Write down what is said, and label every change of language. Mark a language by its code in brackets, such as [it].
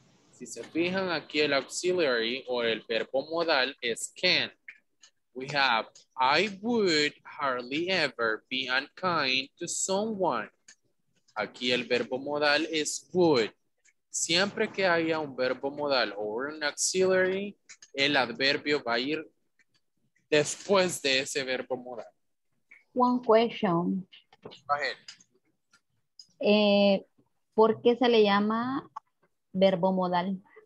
[es] Si se fijan aquí el auxiliary o el verbo modal es can. [en] We have, I would hardly ever be unkind to someone. [es] Aquí el verbo modal es would. Siempre que haya un verbo modal o un auxiliary, el adverbio va a ir después de ese verbo modal. [en] One question. Go ahead. [es] ¿Por qué se le llama verbo modal?